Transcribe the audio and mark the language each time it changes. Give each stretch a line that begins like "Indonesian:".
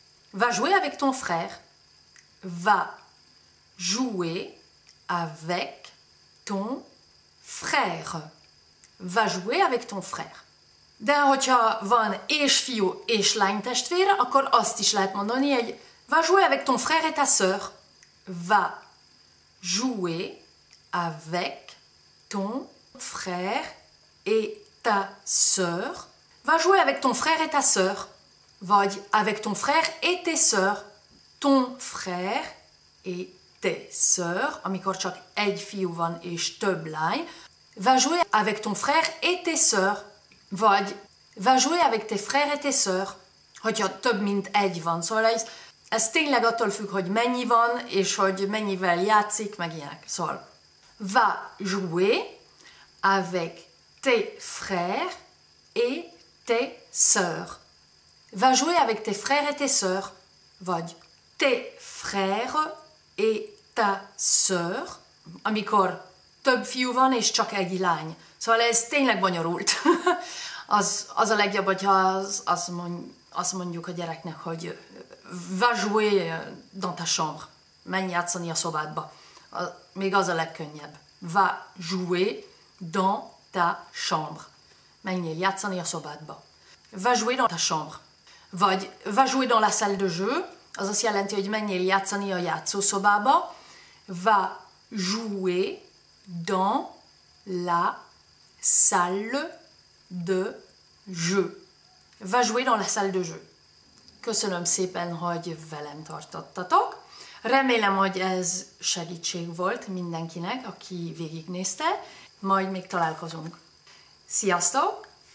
French: Va jouer avec ton frère. Va jouer avec ton frère. Va jouer avec ton frère.
Hungarian: De hogyha van és fiú és lány testvér, akkor azt is lehet mondani, hogy
French: va jouer avec ton frère et ta sœur. Va jouer avec ton frère et ta sœur. Va jouer avec ton frère et ta sœur.
Hungarian: Vagy
French: avec ton frère et tes sœurs. Ton frère et tes sœurs.
Hungarian: Amikor csak egy fiú van és több lány.
French: Va jouer avec ton frère et tes sœurs.
Hungarian: Vagy
French: va jouer avec tes frères et tes sœurs.
Hungarian: Hogyha több mint egy van. Szóval ez tényleg attól függ, hogy mennyi van, és hogy mennyivel játszik, meg ilyenek. Szóval
French: va jouer avec tes frères et tes sœurs. Va jouer avec tes frères et tes sœurs.
Hungarian: Vagy
French: tes frères et ta sœur.
Hungarian: Amikor több fiú van, és csak egy lány. Szóval ez tényleg bonyolult. Az a legjobb, hogyha azt mondjuk a gyereknek, hogy
French: va jouer dans ta chambre.
Hungarian: Menj játszani a szobádba. Még az a legkönnyebb.
French: Va jouer dans ta chambre.
Hungarian: Menjél játszani a szobádba.
French: Va jouer dans ta chambre.
Hungarian: Vagy
French: va jouer dans la salle de jeu.
Hungarian: Az azt jelenti, hogy menjél játszani a játszószobába.
French: Va jouer dans la salle de jeu. Va jouer dans la salle de jeu.
Hungarian: Köszönöm szépen, hogy velem tartottatok. Remélem, hogy ez segítség volt mindenkinek, aki végignézte. Majd még találkozunk. Sziasztok!